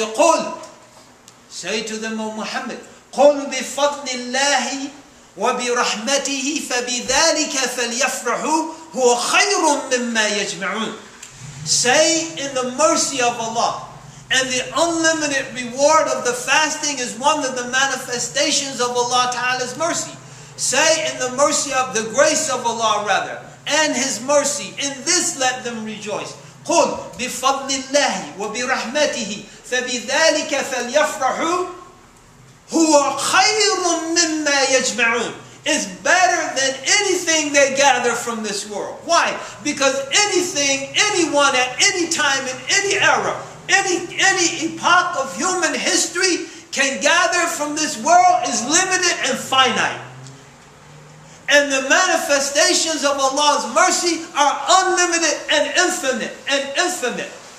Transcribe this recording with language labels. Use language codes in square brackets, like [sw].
[en] قُلْ Say to them, O Muhammad, [ar] قُلْ بِفَضْلِ اللَّهِ وَبِرَحْمَتِهِ فَبِذَلِكَ فَلْيَفْرَحُوا هُوَ خَيْرٌ مِّمَّا يَجْمَعُونَ [en] Say, in the mercy of Allah, and the unlimited reward of the fasting is one of the manifestations of Allah Ta'ala's mercy. Say, in the mercy of the grace of Allah rather, and His mercy, in this let them rejoice. [ar] قُلْ بِفَضْلِ اللَّهِ وَبِرَحْمَتِهِ فَبِذَلِكَ فَلْيَفْرَحُوا هُوَ خَيْرٌ مِّمَّا يَجْمَعُونَ [en] It's better than anything they gather from this world. Why? Because anything, anyone at any time, in any era, any epoch of human history can gather from this world is limited and finite. And the manifestations of Allah's mercy are unlimited and infinite and infinite.